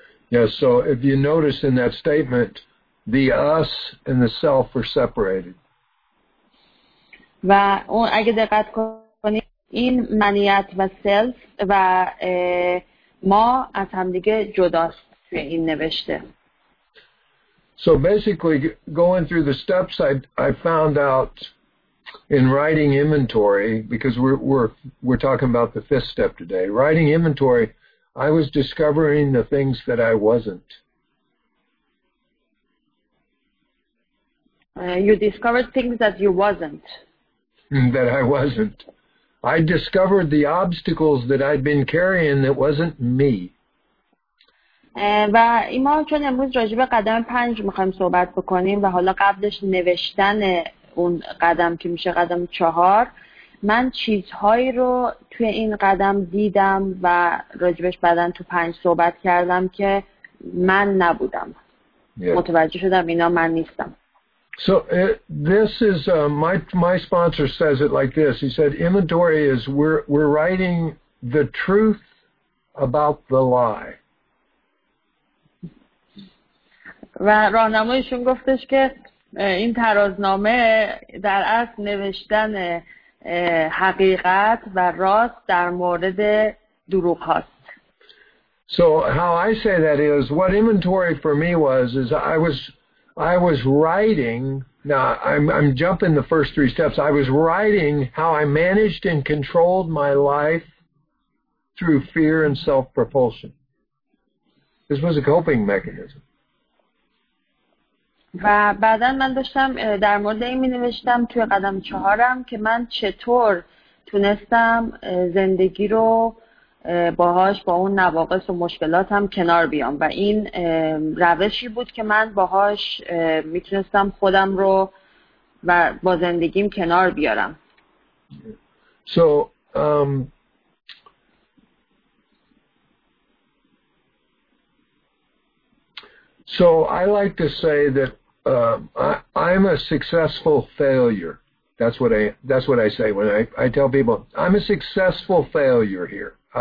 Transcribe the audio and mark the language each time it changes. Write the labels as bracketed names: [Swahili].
[English] Yes, so if you notice in that statement, the us and the self were separated. [Persian] و اون اگه دقت کنید این منیت و سلف و ما از همدیگه جداست توی این نوشته. [English] So basically going through the steps I found out in writing inventory, because we're talking about the fifth step today, writing inventory, I was discovering the things that I wasn't. You discovered things that you wasn't. That I wasn't. I discovered the obstacles that I'd been carrying that wasn't me. [Persian] و ما چون امروز راجع به قدم 5 می‌خوایم صحبت بکنیم و حالا قبلش نوشتن اون قدم که میشه قدم 4، من چیزهایی رو توی این قدم دیدم و راجبش بعداً تو 5 صحبت کردم که من نبودم. [English] Yeah. [Persian] متوجه شدم اینا من نیستم. [English] So this is my sponsor says it like this. He said inventory is we're writing the truth about the lie. [Persian] و راهنماییشون گفتش که این ترازنامه در اصل نوشتن حقیقت و راست در مورد دروغ هاست. [English] So how I say that is what inventory for me was is I was writing, now I'm jumping the first 3 steps, I was writing how I managed and controlled my life through fear and self-propulsion. This was a coping mechanism. [Persian] و بعدا من داشتم در مورد این می نوشتم توی قدم 4 که من چطور تونستم زندگی رو باهاش با اون نواقص و مشکلاتم کنار بیام و این روشی بود که من باهاش میتونستم خودم رو و با زندگیم کنار بیارم. [English] So so I like to say that I'm a successful failure. That's what I say when I tell people I'm a successful failure here.